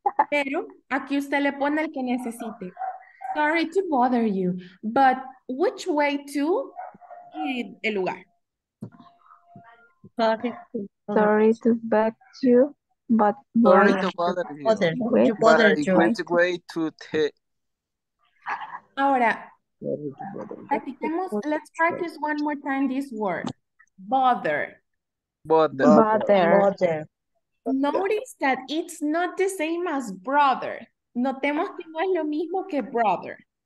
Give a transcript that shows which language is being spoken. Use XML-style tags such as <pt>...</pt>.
<es>Pero aquí usted le pone el que necesite.</es> <en>Sorry to bother you, but which way to</en> <es>el lugar?</es> <en>Sorry to bother you, But Sorry to bother you. Bother. But Bother, I went away to the...</en> <es>Ahora, practicemos,</es> <en>let's practice one more time this word. Bother. Bother. Bother. Bother. Notice that it's not the same as brother.</en> <es>Notemos que no es lo mismo que brother.</es>